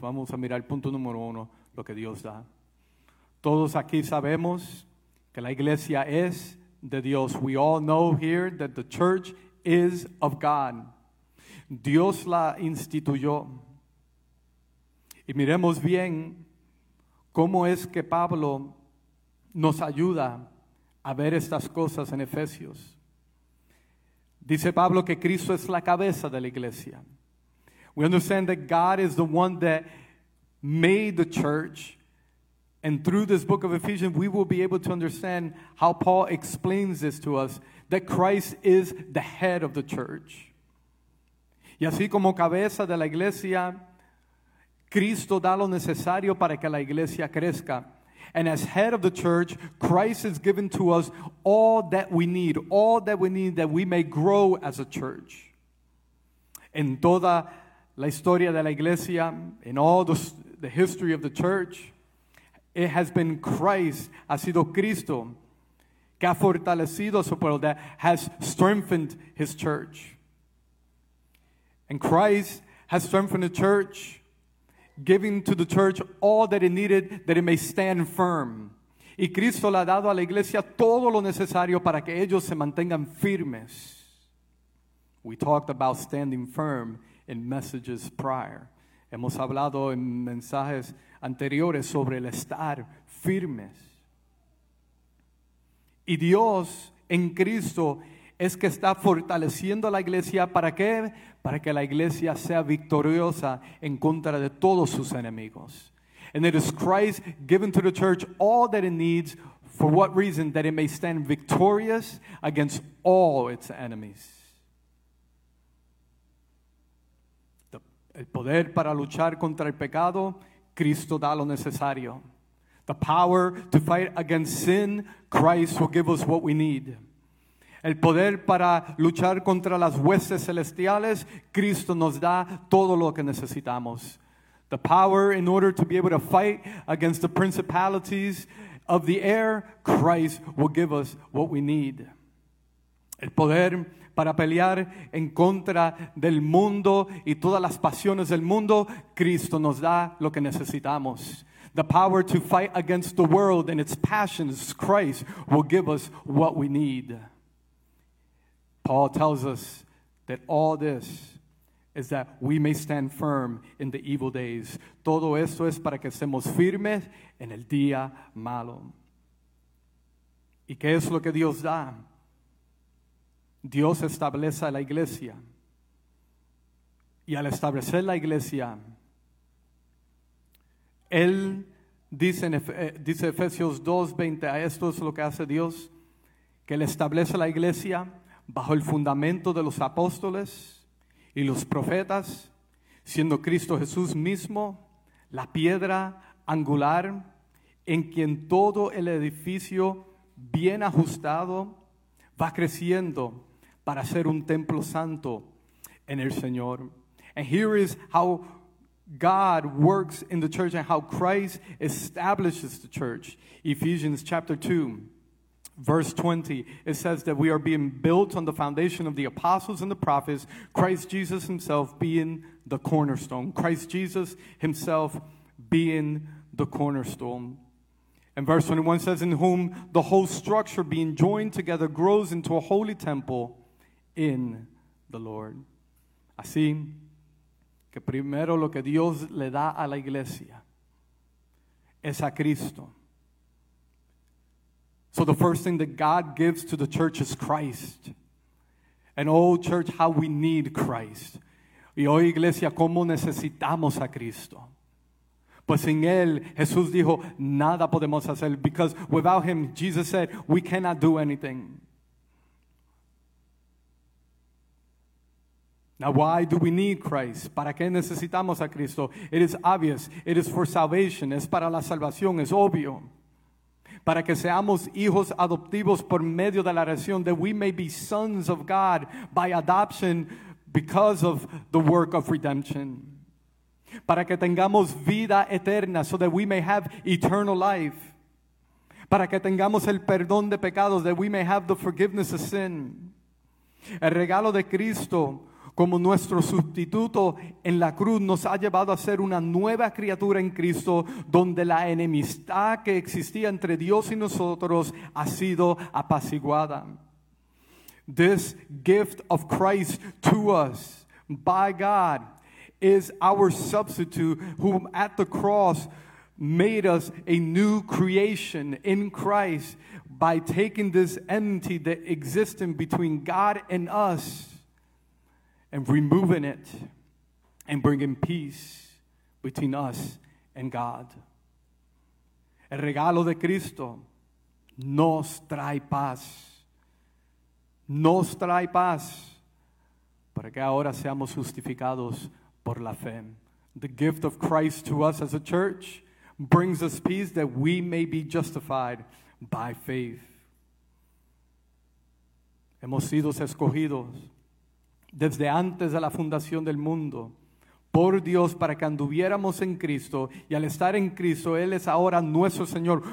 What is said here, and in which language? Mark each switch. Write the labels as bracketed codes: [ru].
[es] Vamos a mirar punto número uno, lo que Dios da. Todos aquí sabemos que la iglesia es de Dios. [en] We all know here that the church is of God. [es] Dios la instituyó. Y miremos bien cómo es que Pablo nos ayuda a ver estas cosas en Efesios. Dice Pablo que Cristo es la cabeza de la iglesia. [en] We understand that God is the one that made the church. And through this book of Ephesians, we will be able to understand how Paul explains this to us, that Christ is the head of the church. [es] Y así como cabeza de la iglesia, Cristo da lo necesario para que la iglesia crezca. [en] And as head of the church, Christ has given to us all that we need, all that we need that we may grow as a church. [es] En toda la historia de la iglesia, [en] in all the history of the church, it has been Christ, [es] ha sido Cristo, que ha fortalecido a su pueblo, [en] that has strengthened his church. And Christ has strengthened the church, giving to the church all that it needed that it may stand firm. [es] Y Cristo le ha dado a la iglesia todo lo necesario para que ellos se mantengan firmes. [en] We talked about standing firm in messages prior. [es] Hemos hablado en mensajes anteriores sobre el estar firmes. Y Dios en Cristo es que está fortaleciendo a la iglesia. ¿Para qué? Para que la iglesia sea victoriosa en contra de todos sus enemigos. [en] And it is Christ giving to the church all that it needs. For what reason? That it may stand victorious against all its enemies. [es] El poder para luchar contra el pecado, Cristo da lo necesario. [en] The power to fight against sin, Christ will give us what we need. [es] El poder para luchar contra las huestes celestiales, Cristo nos da todo lo que necesitamos. [en] The power in order to be able to fight against the principalities of the air, Christ will give us what we need. [es] El poder para pelear en contra del mundo y todas las pasiones del mundo, Cristo nos da lo que necesitamos. [en] The power to fight against the world and its passions, Christ will give us what we need. Paul tells us that all this is that we may stand firm in the evil days. [es] Todo esto es para que estemos firmes en el día malo. ¿Y qué es lo que Dios da? Dios establece la iglesia. Y al establecer la iglesia, Él dice en Efesios 2:20, a esto es lo que hace Dios, que Él establece la iglesia bajo el fundamento de los apóstoles y los profetas, siendo Cristo Jesús mismo la piedra angular en quien todo el edificio bien ajustado va creciendo para ser un templo santo en el Señor. [en] And here is how God works in the church and how Christ establishes the church. Ephesians chapter 2. Verse 20, it says that we are being built on the foundation of the apostles and the prophets, Christ Jesus himself being the cornerstone. Christ Jesus himself being the cornerstone. And verse 21 says, in whom the whole structure being joined together grows into a holy temple in the Lord. [es] Así que primero lo que Dios le da a la iglesia es a Cristo. [en] So the first thing that God gives to the church is Christ. And oh, church, how we need Christ. [es] Y hoy, iglesia, ¿cómo necesitamos a Cristo? Pues sin Él, Jesús dijo, nada podemos hacer. [en] Because without Him, Jesus said, we cannot do anything. Now, why do we need Christ? [es] ¿Para qué necesitamos a Cristo? [en] It is obvious. It is for salvation. [es] Es para la salvación. Es obvio. para que seamos hijos adoptivos por medio de la oración, [en] that we may be sons of God by adoption because of the work of redemption. [es] Para que tengamos vida eterna, [en] so that we may have eternal life. [es] Para que tengamos el perdón de pecados, [en] that we may have the forgiveness of sin. [es] El regalo de Cristo como nuestro sustituto en la cruz nos ha llevado a ser una nueva criatura en Cristo, donde la enemistad que existía entre Dios y nosotros ha sido apaciguada. [en] This gift of Christ to us by God is our substitute, who at the cross made us a new creation in Christ by taking this enmity that existed between God and us and removing it and bringing peace between us and God. [es] El regalo de Cristo nos trae paz. Nos trae paz para que ahora seamos justificados por la fe. [en] The gift of Christ to us as a church brings us peace that we may be justified by faith. [es] Hemos sido escogidos desde antes de la fundación del mundo, por Dios, para que anduviéramos en Cristo, y al estar en Cristo, Él es ahora nuestro Señor.